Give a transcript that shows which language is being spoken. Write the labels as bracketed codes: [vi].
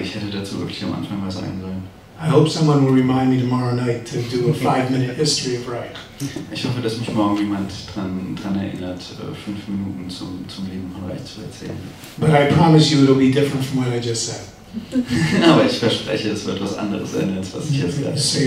[de] Ich hätte dazu wirklich am Anfang was sagen sollen. [en] I hope someone will remind me tomorrow night to do a 5-minute history of Reich. [de] Ich hoffe, dass mich morgen jemand dran erinnert, 5 Minuten zum Leben von Reich zu erzählen. [en] But I promise you, it'll be different from what I just said. [de] Aber ich verspreche, es wird was anderes sein, als was ich jetzt gerade gesagt